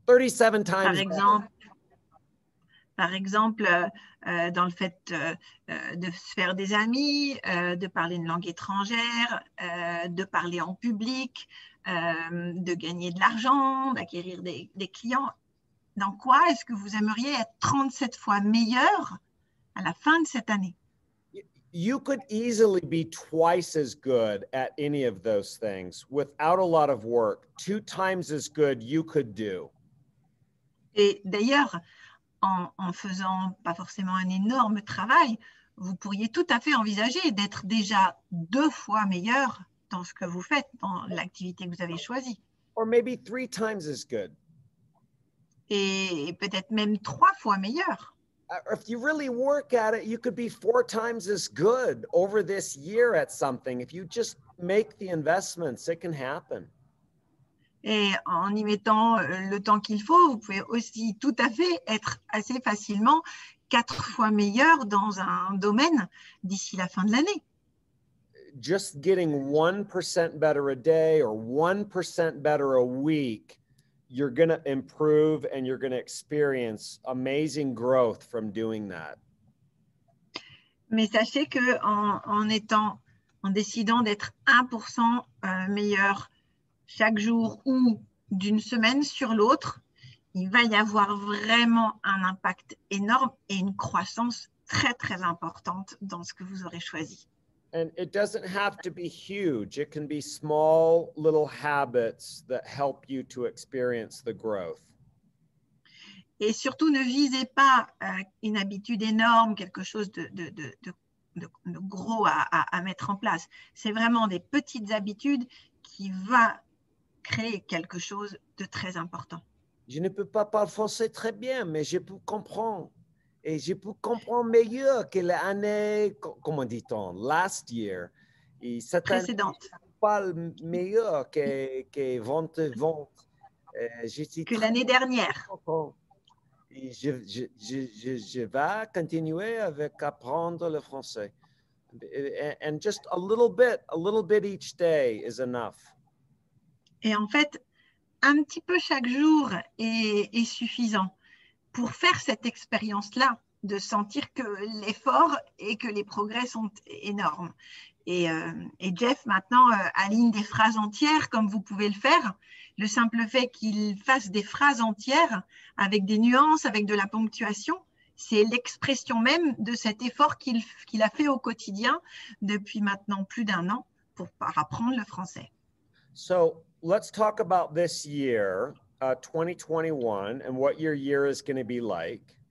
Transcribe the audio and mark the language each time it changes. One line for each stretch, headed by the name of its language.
English: 37 times better.
French: Par exemple,
English: better.
French: Par exemple, dans le fait de se faire des amis, de parler une langue étrangère, de parler en public, de gagner de l'argent, d'acquérir des clients. Dans quoi est-ce que vous aimeriez être 37 fois meilleur à la fin de cette année?
English: You could easily be twice as good at any of those things without a lot of work. Two times as good you could do.
French: Et d'ailleurs, en faisant pas forcément un énorme travail, vous pourriez tout à fait envisager d'être déjà deux fois meilleur dans ce que vous faites, dans l'activité que vous avez choisie.
English: Or maybe three times as good.
French: Et peut-être même trois fois meilleur.
English: If you really work at it, you could be four times as good over this year at something. If you just make the investments, it can happen.
French: Et en y mettant le temps qu'il faut, vous pouvez aussi tout à fait être assez facilement quatre fois meilleur dans un domaine d'ici la fin de l'année.
English: Just getting 1% better a day or 1% better a week, you're going to improve and you're going to experience amazing growth from doing that.
French: Mais sachez que en décidant d'être 1% meilleur chaque jour ou d'une semaine sur l'autre, il va y avoir vraiment un impact énorme et une croissance très, très importante dans ce que vous aurez choisi.
English: And it doesn't have to be huge. It can be small little habits that help you to experience the growth.
French: Et surtout, ne visez pas une habitude énorme, quelque chose de gros à mettre en place. C'est vraiment des petites habitudes qui va créer quelque chose de très important. Je ne peux pas parler français très bien, mais je peux comprendre. Et je peux comprendre mieux que l'année, comment dit-on,
English: last year.
French: Et cette précédente. Année, je parle mieux que 2020. Que l'année dernière. Et je vais continuer avec apprendre le français.
English: And just a little bit each day is enough.
French: Et en fait, un petit peu chaque jour est suffisant pour faire cette expérience-là, de sentir que l'effort et que les progrès sont énormes. Et Jeff, maintenant, aligne des phrases entières comme vous pouvez le faire. Le simple fait qu'il fasse des phrases entières avec des nuances, avec de la ponctuation, c'est l'expression même de cet effort qu'il a fait au quotidien depuis maintenant plus d'un an pour apprendre le français.
English: So, let's talk about this year, 2021, and what your year is going to be like.